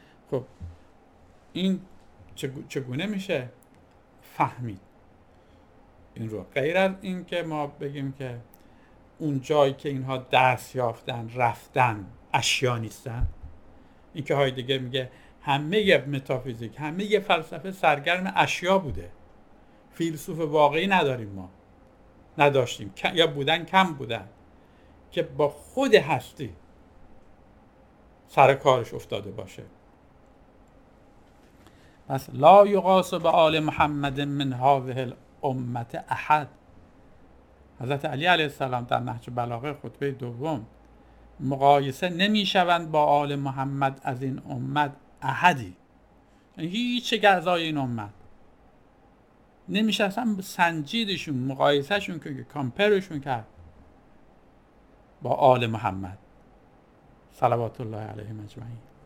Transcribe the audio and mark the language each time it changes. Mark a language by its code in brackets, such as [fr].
[fa] خب این چگونه میشه فهمید این رو؟ غیر از این که ما بگیم که اون جایی که اینها دست یافتن رفتن اشیا نیستن، این که های دیگه میگه همه متافیزیک، همه فلسفه سرگرم اشیا بوده، فیلسوف واقعی نداریم، ما نداشتیم یا بودن کم بودن، که با خود هستی سر کارش افتاده باشه. [ar] پس لا یقاس به آل محمد من هذه الامت احد. [fa] حضرت علی علیه السلام در نهج بلاغه خطبه دوم مقایسه نمیشوند با آل محمد از این امت احدی، هیچ گزای این امت نمیشه اصلا سنجیدشون، مقایسهشون که کامپرشون کرد با آل محمد صلوات الله علیه اجمعین.